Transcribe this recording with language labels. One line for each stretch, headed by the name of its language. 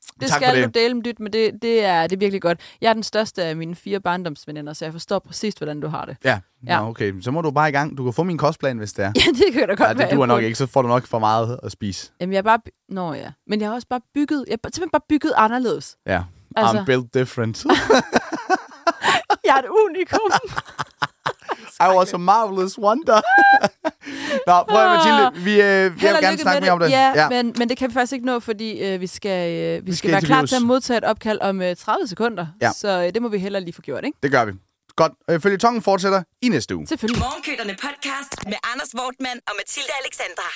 Danish: Det skal du dele med dit, men det er virkelig godt. Jeg er den største af mine 4 barndomsveninder, så jeg forstår præcis, hvordan du har det. Ja, ja. Nå, okay. Så må du bare i gang. Du kan få min kostplan, hvis det er. Ja, det kan du godt være. Ja, det duer nok ikke, så får du nok for meget at spise. Jamen, jeg er bare... Nå ja. Men jeg har også bare bygget... Jeg er simpelthen bare bygget anderledes. Ja. Altså...
English: I'm built different.
Danish: Jeg er et unikum.
English: I was a marvelous wonder.
Danish: Nå, prøv at Mathilde, vi vil gerne snakke mere om det. Ja. Men det kan vi faktisk ikke nå, fordi vi skal være klar til at modtage et opkald om 30 sekunder. Ja. Så det må vi hellere lige få gjort, ikke? Det gør vi. Godt. Føljetongen fortsætter i næste uge. Selvfølgelig. Morgenkøterne podcast med Anders Wortmann og Mathilde Alexandra.